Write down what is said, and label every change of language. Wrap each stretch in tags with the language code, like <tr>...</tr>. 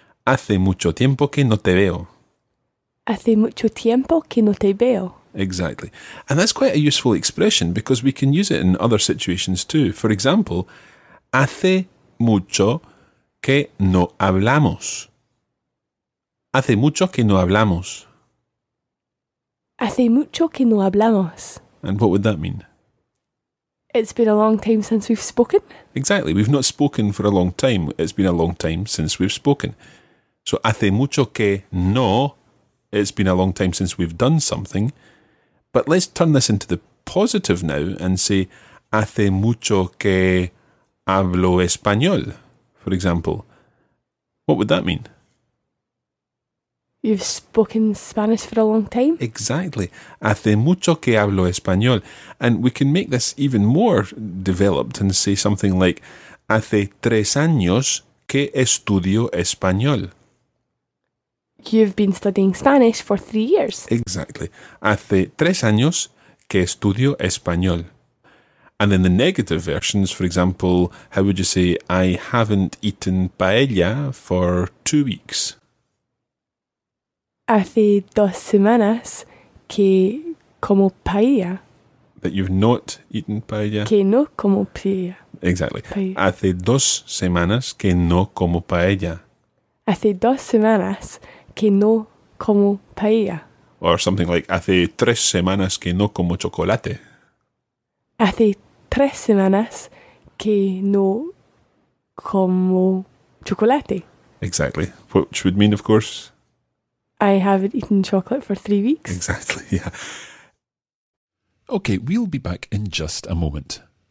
<es>Hace mucho tiempo que no te veo. Hace mucho tiempo que no te veo.</es> <en>Exactly. And that's quite a useful expression because we can use it in other situations too. For example,</en> <es>hace mucho que no hablamos. Hace mucho que no hablamos. Hace mucho que no hablamos.</es> <en>And what would that mean? It's been a long time since we've spoken. Exactly. We've not spoken for a long time. It's been a long time since we've spoken. So,</en> <es>hace mucho que no,</es> <en>it's been a long time since we've done something. But let's turn this into the positive now and say,</en> <es>hace mucho que hablo español,</es> <en>for example. What would that mean? You've spoken Spanish for a long time. Exactly.</en> <es>Hace mucho que hablo español.</es> <en>And we can make this even more developed and say something like,</en> <es>hace tres años que estudio español.</es> <en>You've been studying Spanish for 3 years. Exactly.</en> <es>Hace tres años que estudio español.</es> <en>And then the negative versions, for example, how would you say, I haven't eaten paella for 2 weeks?</en> <es>Hace dos semanas que como paella.</es> <en>That you've not eaten paella?</en> <es>Que no como paella.</es> <en>Exactly.</en> <es>Paella. Hace dos semanas que no como paella. Hace dos semanas que no como paella.</es> <en>Or something like,</en> <es>hace tres semanas que no como chocolate. Hace tres semanas que no como chocolate.</es> <en>Exactly. Which would mean, of course... I haven't eaten chocolate for 3 weeks. Exactly, yeah. Okay, we'll be back in just a moment.</en>